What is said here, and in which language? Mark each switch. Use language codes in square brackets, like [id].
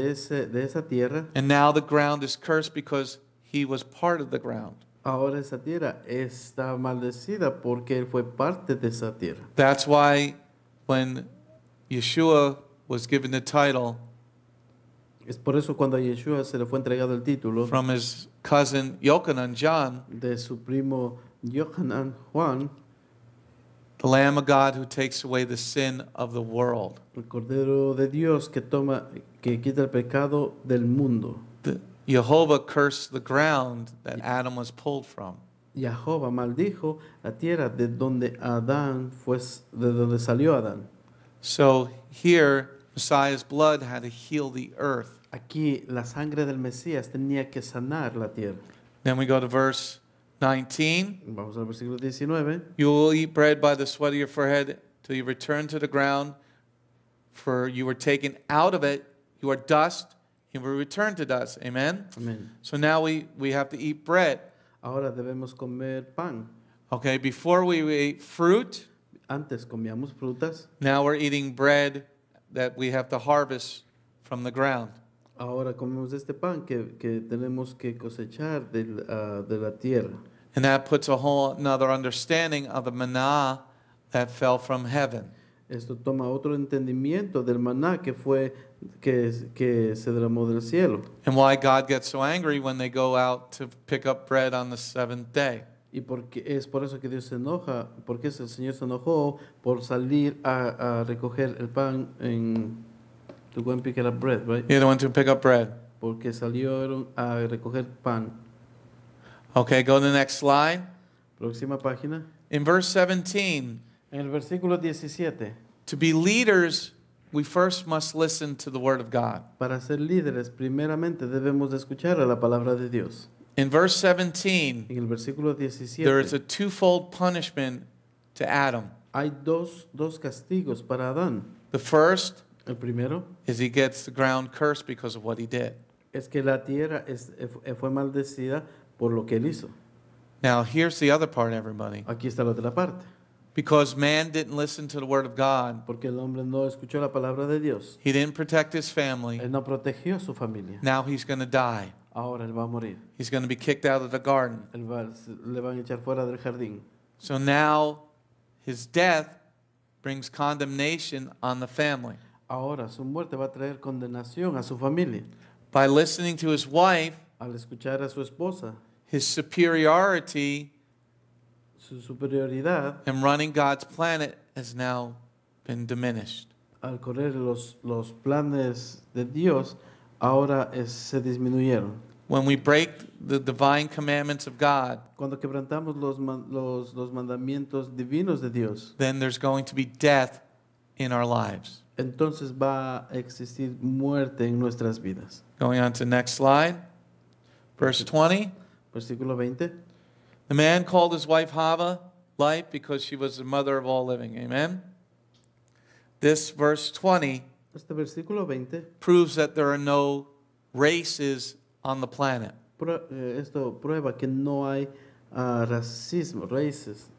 [en] And now the ground is cursed because he was part of the ground. [es] Ahora esa tierra está maldecida porque él fue parte de esa tierra. [en] That's why when Yeshua was given the title, [es] es por eso cuando a Yeshua se le fue entregado el título, [en] from his cousin Yochanan, John, [es] de su primo Yochanan, Juan, [en] the Lamb of God who takes away the sin of the world. [es] El Cordero de Dios que toma, que quita el pecado del mundo. [en] Jehovah cursed the ground that Adam was pulled from. [es] Jehovah maldijo la tierra de donde Adán fue, de donde salió Adán. [en] So here, Messiah's blood had to heal the earth. [es] Aquí la sangre del Mesías tenía que sanar la tierra. [en] Then we go to verse 19. [es] Vamos al versículo 19. [en] You will eat bread by the sweat of your forehead till you return to the ground, for you were taken out of it. You are dust. You will return to dust. Amen. Amen. So now we have to eat bread. [es] Ahora debemos comer pan. [en] Okay. Before we ate fruit. [es] Antes comíamos frutas. [en] Now we're eating bread that we have to harvest from the ground. [es] Ahora comemos este pan que tenemos que cosechar de la tierra. [en] And that puts a whole another understanding of the maná that fell from heaven. [es] Esto toma otro entendimiento del maná que fue que se derramó del cielo. [en] And why God gets so angry when they go out to pick up bread on the seventh day. [es] Y porque es por eso que Dios se enoja, porque el Señor se enojó por salir a recoger el pan en [en] to go and pick up bread, right? Yeah, they went to pick up bread. [es] Porque salieron a recoger pan. [en] Okay, go to the next slide. [es] Próxima página. [en] In verse 17. [es] En el versículo 17. [en] To be leaders, we first must listen to the word of God. [es] Para ser líderes, primeramente debemos escuchar a la palabra de Dios. [en] In verse 17, [es] en el versículo 17, [en] there is a twofold punishment to Adam. [es] Hay dos castigos para Adán. [en] The first, [es] el primero, [en] is he gets the ground cursed because of what he did. [es] Es que la tierra fue maldecida por lo que él hizo. [en] Now, here's the other part, everybody. [es] Aquí está la otra parte. [en] Because man didn't listen to the word of God, [es] porque el hombre no escuchó la palabra de Dios, [en] he didn't protect his family, [es] él no protegió su familia. [en] Now he's going to die. [es] Ahora él va a morir. [en] He's going to be kicked out of the garden. [es] Le van a echar fuera del jardín. [en] So now his death brings condemnation on the family. [es] Ahora su muerte va a traer condenación a su familia. [en] By listening to his wife, [es] al escuchar a su esposa, [en] his superiority, [es] su superioridad, [en] and running God's planet has now been diminished. [es] Al correr los planes de Dios, ahora se disminuyeron. [en] When we break the divine commandments of God, [es] cuando quebrantamos los mandamientos divinos de Dios, [en] then there's going to be death in our lives. [es] entonces va a existir muerte en nuestras vidas. [en] Going on to the next slide, verse 20. [es] Versículo 20. [en] The man called his wife Hava, life, because she was the mother of all living. Amen. This verse 20, [es] este versículo 20 [en] proves that there are no races on the planet. [es] Esto prueba que no hay racismo, races.